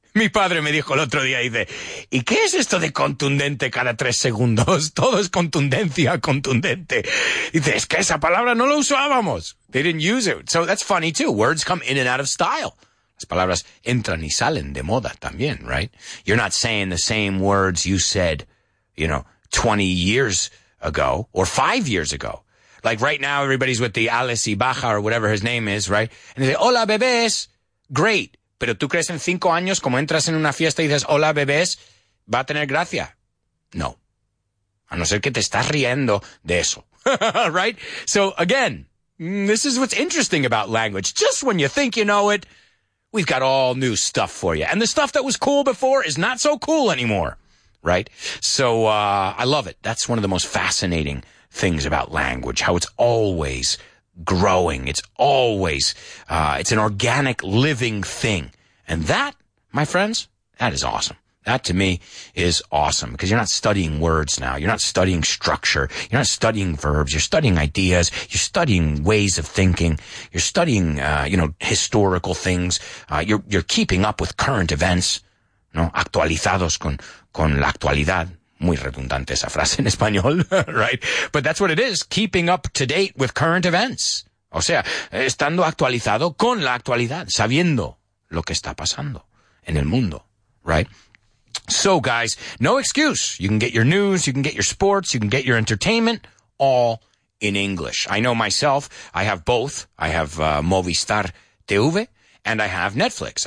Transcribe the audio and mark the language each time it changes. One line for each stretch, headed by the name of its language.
Spanish: Mi padre me dijo el otro día, dice, ¿y qué es esto de contundente cada tres segundos? Todo es contundencia, contundente. Dice, es que esa palabra no lo usábamos. They didn't use it. So that's funny too.
English: Words come in and out of style. Las palabras entran y salen de moda también, right? You're not saying the same words you said, you know, 20 years ago or 5 years ago. Like right now, everybody's with the Alice Ibaja or whatever his name is, right? And they say, hola, bebés. Great.
Spanish: Pero tú crees en 5 años, como entras en una fiesta y dices, hola, bebés, ¿va a tener gracia? No. A no ser que te estás riendo de eso.
English: Right? So again, this is what's interesting about language. Just when you think you know it, we've got all new stuff for you. And the stuff that was cool before is not so cool anymore. Right? So I love it. That's one of the most fascinating things about language, how it's always growing. It's always, it's an organic living thing. And that, my friends, that is awesome. That to me is awesome because you're not studying words now. You're not studying structure. You're not studying verbs. You're studying ideas. You're studying ways of thinking. You're studying, you know, historical things. You're keeping up with current events, ¿no? Actualizados con la actualidad.
Spanish: Muy redundante esa frase en español, right?
English: But that's what it is, keeping up to date with current events.
Spanish: O sea, estando actualizado con la actualidad, sabiendo lo que está pasando en el mundo, right?
English: So, guys, no excuse. You can get your news, you can get your sports, you can get your entertainment, all in English. I know myself, I have both. I have Movistar TV, and I have Netflix.